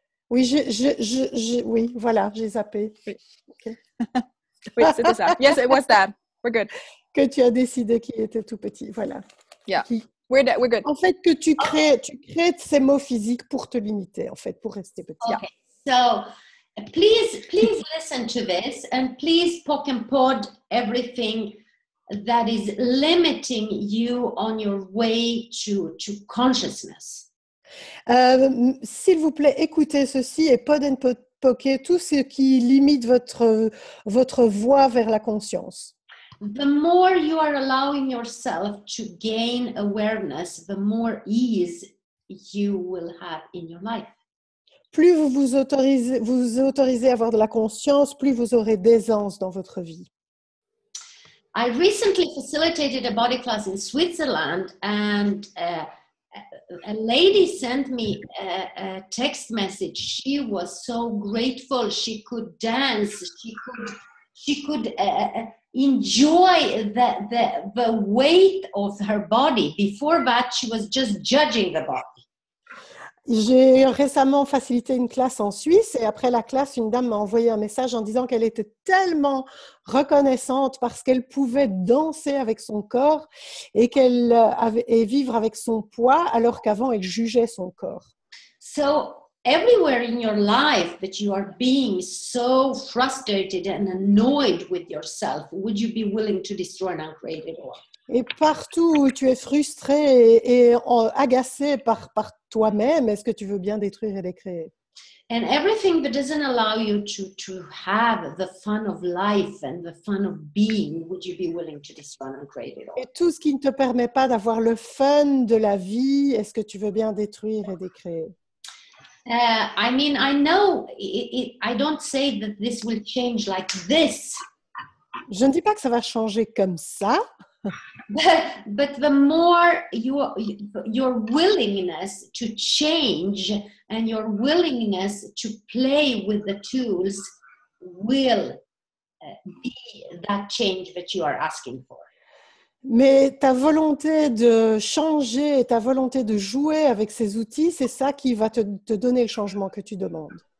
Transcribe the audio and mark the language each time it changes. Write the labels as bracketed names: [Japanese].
[French] Oui, oui, voilà, j'ai zappé. Oui, okay. Oui, c'était ça. [English] Yes, it was that. We're good. [French] Que tu as décidé qu'il était tout petit, voilà. [English] Yeah. We're good. [French] En fait, que tu crées ces mots physiques pour te limiter, en fait, pour rester petit. [English] Okay. So, please listen to this and please poke and pod everything that is limiting you on your way to consciousness. [French] S'il vous plaît, écoutez ceci et pod and poke tout ce qui limite votre voie vers la conscience. [English] The more you are allowing yourself to gain awareness, the more ease you will have in your life. [French] Plus vous vous autorisez à avoir de la conscience, plus vous aurez d'aisance dans votre vie. [English] I recently facilitated a body class in Switzerland and a lady sent me a text message. She was so grateful. She could dance. She could enjoy the weight of her body. Before that, she was just judging the body. [French] J'ai récemment facilité une classe en Suisse et après la classe, une dame m'a envoyé un message en disant qu'elle était tellement reconnaissante parce qu'elle pouvait danser avec son corps et qu'elle avait et vivre avec son poids alors qu'avant elle jugeait son corps. [English] So everywhere in your life that you are being so frustrated and annoyed with yourself, would you be willing to destroy and uncreate it all? [French] Et partout où tu es frustrée et agacée par toi-même, est-ce que tu veux bien détruire et décréer? [English] And everything that doesn't allow you to have the fun of life and the fun of being, would you be willing to disrupt and create it all? [French] Et tout ce qui ne te permet pas d'avoir le fun de la vie, est-ce que tu veux bien détruire et décréer? [English] I mean, I know, I don't say that this will change like this. [French] Je ne dis pas que ça va changer comme ça. [English] But the more your willingness to change and your willingness to play with the tools will be that change that you are asking for. [French] Mais ta volonté de changer, ta volonté de jouer avec ces outils, c'est ça qui va te donner le changement que tu demandes.